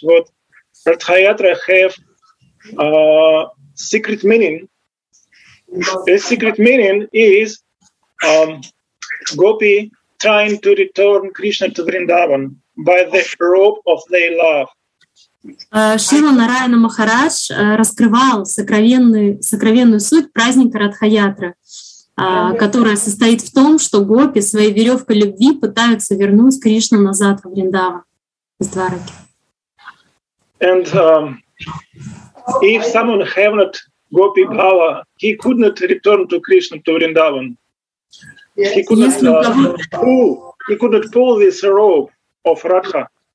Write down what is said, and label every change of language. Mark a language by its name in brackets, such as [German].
[English] What Rathayatra have secret meaning. The secret meaning is Gopi trying to return Krishna to Vrindavan by the rope of their love. [Russian] Шрила Нараяна Махарадж раскрывал сокровенную суть праздника Радхаятра, которая состоит в том, что гопи своей веревкой любви пытаются вернуть Кришну назад в Вриндаван из Двараки. [English] And if someone have not gopi bhava, he could not return to Krishna to Vrindavan. He could not pull this rope of Radha.